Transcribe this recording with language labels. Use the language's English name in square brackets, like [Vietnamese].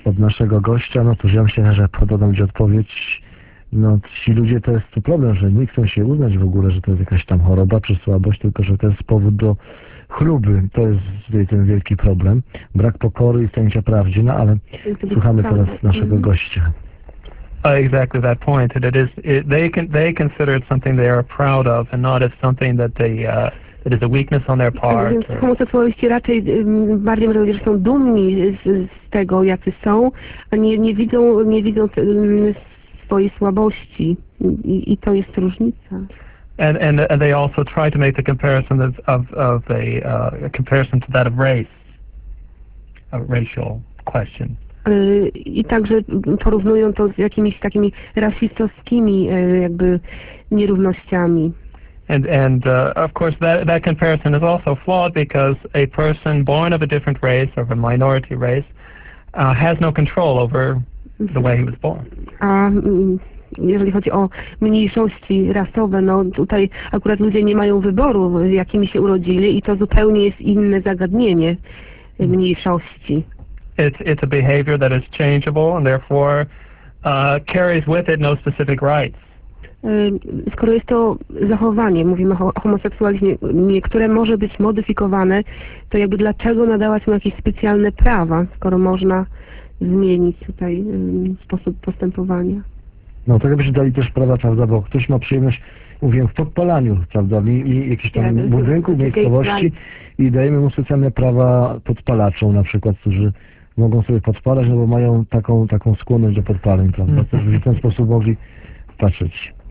[Polish] Od naszego gościa, no to ja myślę, że pododam Ci odpowiedź. No ci ludzie, to jest tu problem, że nie chcą się uznać w ogóle, że to jest jakaś tam choroba czy słabość, tylko że to jest powód do chluby. To jest tutaj ten wielki problem. Brak pokory i stanicia prawdzie, no ale słuchamy teraz naszego gościa. [English] Exactly that point. That it is, they consider it something they are proud of and not as something that they that is a weakness on their part. [Polish] Homoseksualiści raczej bardziej mówią, że są dumni z tego, jacy są, a nie widzą swojej słabości i to jest różnica. [English] And they also try to make the comparison of a comparison to that of race, a racial question. [Polish] I także porównują to z jakimiś takimi rasistowskimi jakby nierównościami. [English] Of course that comparison is also flawed because a person born of a different race or of a minority race has no control over the way he was born. [Polish] A jeżeli chodzi o mniejszości rasowe, no tutaj akurat ludzie nie mają wyboru, jakimi się urodzili i to zupełnie jest inne zagadnienie mniejszości. [English] It's a behavior that is changeable and therefore carries with it no specific rights. [Polish] Skoro jest to zachowanie, mówimy o homoseksualizmie, które może być modyfikowane, to jakby dlaczego nadawać mu jakieś specjalne prawa, skoro można zmienić tutaj sposób postępowania? No tak jakby się dali też prawa, prawda, bo ktoś ma przyjemność, mówię, w podpalaniu, prawda, i jakichś tam budynków, miejscowości i dajemy mu specjalne prawa podpalaczom na przykład, którzy mogą sobie podpalać, no bo mają taką skłonność do podpaleń, prawda, też w ten sposób mogli patrzeć.